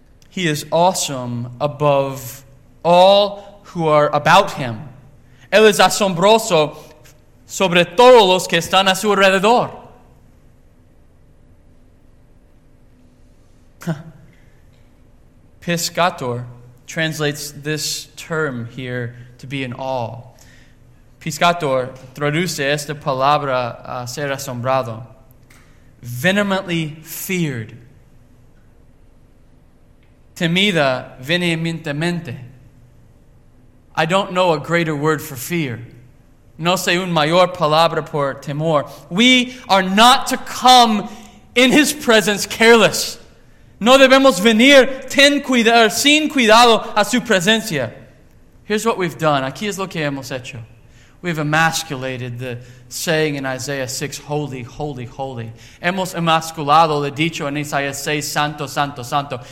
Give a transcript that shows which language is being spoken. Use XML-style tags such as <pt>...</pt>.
<en>He is awesome above all who are about him.</en> <es>Él es asombroso sobre todos los que están a su alrededor.</es> <en>Piscator translates this term here to be in awe.</en> <es>Piscator traduce esta palabra a ser asombrado.</es> <en>Venomously feared.</en> <es>Temida venementemente.</es> <en>I don't know a greater word for fear.</en> <es>No sé un mayor palabra por temor.</es> <en>We are not to come in his presence careless.</en> <es>No debemos venir sin cuidado a su presencia.</es> <en>Here's what we've done.</en> <es>Aquí es lo que hemos hecho.</es> <en>We've emasculated the saying in Isaiah 6, holy, holy, holy.</en> <es>Hemos emasculado el dicho en Isaiah 6, santo, santo, santo.</es>